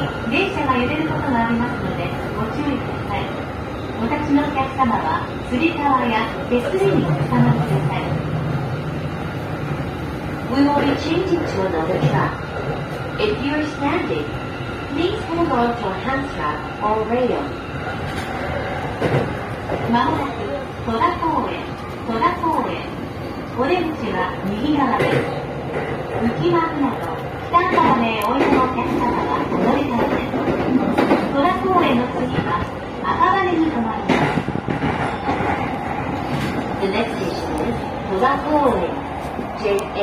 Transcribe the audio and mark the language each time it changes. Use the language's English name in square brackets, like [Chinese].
[Japanese] 電車が揺れることがありますので、ご注意ください。お立ちのお客様は、つり革や手すりにおつかまってください。 [English] We will be changing to another track. If you are standing, please hold on to a hand strap or rail. [Japanese] まもなく、戸田公園、戸田公園。お出口は右側です。浮き幕など、北からへおいでのお客様は乗り換えです。戸田公園の次は、赤羽に止まります。 [English] The next station is 戸田公園。 JA18.